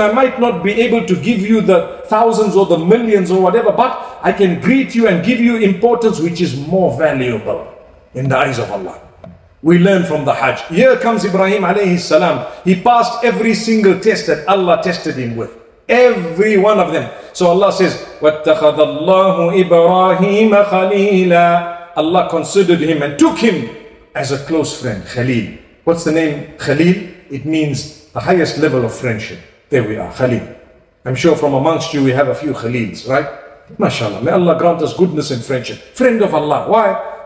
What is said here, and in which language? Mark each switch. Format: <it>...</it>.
<en>I might not be able to give you the thousands or the millions or whatever, but I can greet you and give you importance which is more valuable in the eyes of Allah. We learn from the Hajj. Here comes Ibrahim alayhi salam. He passed every single test that Allah tested him with. Every one of them. So Allah says,</en> <ar>وَاتَّخَذَ اللَّهُ إِبْرَاهِيمَ خَلِيلًا.</ar> <en>Allah considered him and took him as a close friend, Khalil. What's the name Khalil? It means the highest level of friendship. There we are, Khalil. I'm sure from amongst you we have a few Khalils, right? MashaAllah. May Allah grant us goodness and friendship. Friend of Allah. Why?</en>